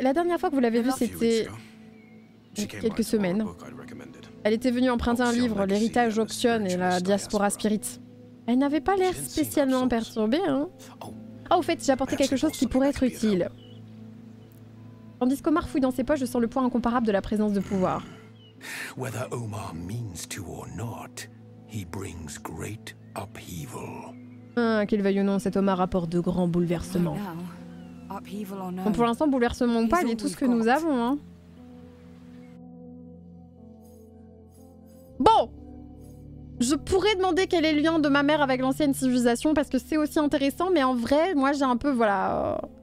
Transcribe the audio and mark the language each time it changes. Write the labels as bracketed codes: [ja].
[fr] La dernière fois que vous l'avez vue, c'était... quelques semaines. Elle était venue emprunter un livre, L'héritage option et la diaspora spirit. Elle n'avait pas l'air spécialement perturbée, hein. Ah, au fait, j'ai apporté quelque chose qui pourrait être utile. Tandis qu'Omar fouille dans ses poches, je sens le poids incomparable de la présence de pouvoir. [en] Whether Omar means to or not, he brings great upheaval. [fr] Ah, qu'il veuille ou non, cet Omar apporte de grands bouleversements. Bon, pour l'instant, bouleversement ou pas, il est tout ce que nous avons, hein. Bon! Je pourrais demander quel est le lien de ma mère avec l'ancienne civilisation, parce que c'est aussi intéressant, mais en vrai, moi j'ai un peu, voilà...